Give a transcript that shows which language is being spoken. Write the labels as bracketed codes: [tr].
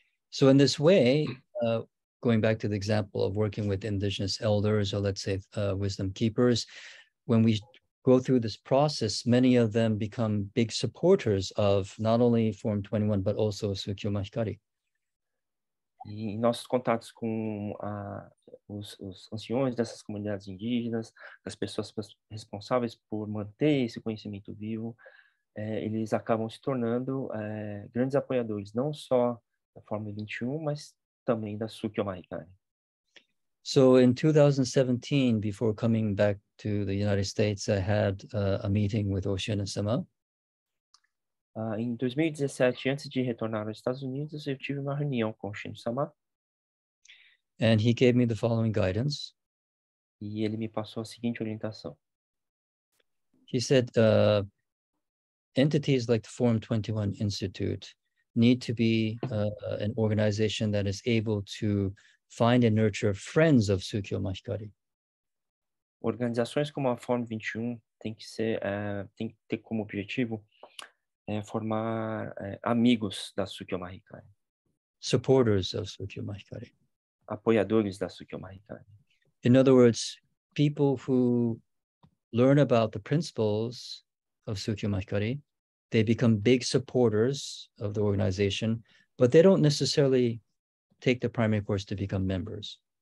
[en] So in this way, going back to the example of working with indigenous elders, or let's say wisdom keepers, when we go through this process, many of them become big supporters of not only Forum 21, but also Sukyo Mahikari. [pt] em nossos contatos com os anciões dessas comunidades indígenas, das pessoas responsáveis por manter esse conhecimento vivo, eles acabam se tornando grandes apoiadores, não só da Forma 21, mas também da Sukyomaikai. [en] So in 2017, before coming back to the United States, I had a meeting with Oshinesama. [pt] Em 2017, antes de retornar aos Estados Unidos, eu tive uma reunião com o Shimizu. [en] And he gave me the following guidance. [pt] E ele me passou a seguinte orientação. [en] He said, entities like the Forum 21 Institute need to be an organization that is able to find and nurture friends of Sukiyomahikari. [pt] Organizações como a Forum 21 tem que ter como objetivo formar amigos da Sukiyomahikari. [en] Supporters of Sukiyomahikari. [pt] Apoiadores da Sukiyomahikari. [en] In other words, people who learn about the principles of Sukiyomahikari, they become big supporters of the organization, but they don't necessarily take the primary course to become members.